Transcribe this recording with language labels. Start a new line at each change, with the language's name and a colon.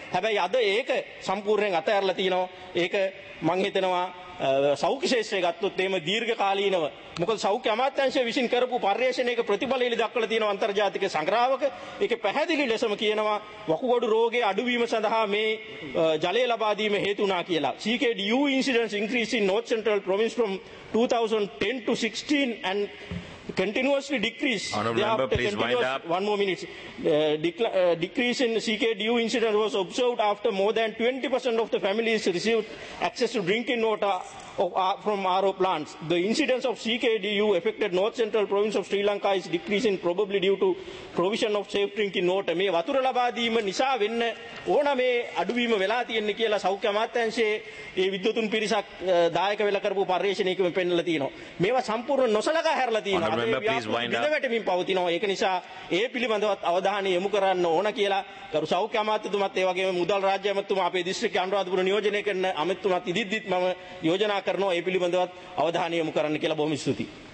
Sinhala: හැබැයි අද ඒක සම්පූර්ණයෙන් අතහැරලා තියෙනවා. ඒක මං හිතනවා සෞඛ්‍ය ක්ෂේත්‍රය ගත්තොත් එහෙම දීර්ඝ කාලීනව මොකද සෞඛ්‍ය අමාත්‍යාංශය විසින් කරපු පර්යේෂණයක ප්‍රතිඵලයලි දක්වලා තියෙනවා අන්තර්ජාතික සංග්‍රහවක. ඒකේ පැහැදිලි ලෙසම කියනවා වකුගඩු රෝගයේ අඩුවීම සඳහා මේ ජලය ලබා දීම හේතු වුණා කියලා.
English: CKDU incidence increase in North Central Province from 2010 to 16 and continuously decrease. Honourable member, please wind up. One more minute. Decrease in CKDU incident was observed after more than 20% of the families received access to drinking water from RO plants. The incidence of CKDU affected North Central Province of Sri Lanka is decreasing probably due to provision of safe drinking water.
Sinhala: මේ වතුර ලබා දීම නිසා වෙන්න ඕන මේ අඩුවීම වෙලා තියෙන්නේ කියලා සෞඛ්‍ය අමාත්‍යාංශයේ ඒ විද්‍යුතුන් පිරිසක් දායක වෙලා කරපු පර්යේෂණයකම පෙන්නලා තියෙනවා. මේවා සම්පූර්ණ නොසලකා හැරලා තියෙනවා. වැටෙමින් පවතිනවා. ඒක නිසා ඒ පිළිබඳවත් අවධානය යොමු කරන්න ඕන කියලා කරු සෞඛ්‍ය අමාත්‍යතුමත් ඒ වගේම මුදල් රාජ්‍ය අමාත්‍යතුමා අපේ දිස්ත්‍රික්ක අනුරාධපුර නියෝජනය කරන අමාත්‍යතුමත් ඉදිරිදිත් මම යෝජනා කරනවා ඒ පිළිබඳවත් අවධානය යොමු කරන්න කියලා. බොහොම ස්තුතියි.